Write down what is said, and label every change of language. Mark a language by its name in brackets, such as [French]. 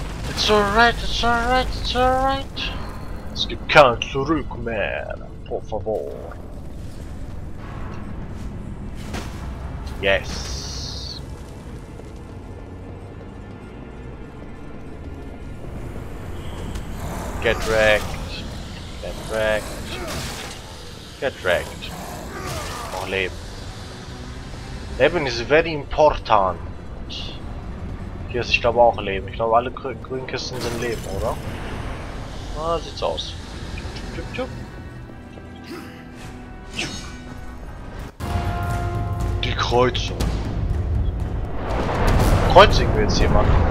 [English] It's alright, it's alright, it's alright. [German] Es gibt kein Zurück mehr. [Spanish] Por favor. [English] Yes. Get wrecked. Get wrecked. Get wrecked. [German] Oh, Leben. [English] Leben is very important. [German] Hier ist, ich glaube, auch Leben. Ich glaube, alle grünen Kisten sind Leben, oder? Ah, sieht's aus. Die Kreuzung. Kreuzigen wir jetzt jemanden.